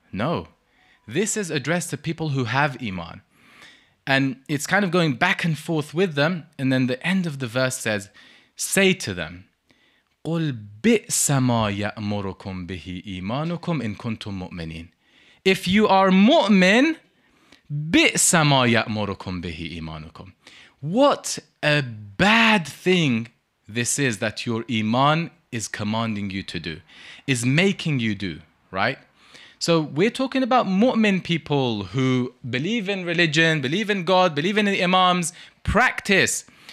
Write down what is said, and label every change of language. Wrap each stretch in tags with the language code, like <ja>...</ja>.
<en>No, this is addressed to people who have iman. And it's kind of going back and forth with them. And then the end of the verse says, say to them,</en> <ar>قُلْ بِئْسَ مَا يَأْمُرُكُمْ بِهِ إِيمَانُكُمْ إِن كُنْتُمْ مُؤْمِنِينَ.</ar> <en>If you are mu'min,</en> <ar>بِئْسَ مَا يَأْمُرُكُمْ بِهِ إِيمَانُكُمْ.</ar> <en>What a bad thing this is that your iman is commanding you to do, is making you do, right? So we're talking about mu'min people who believe in religion, believe in God, believe in the imams, practice.</en>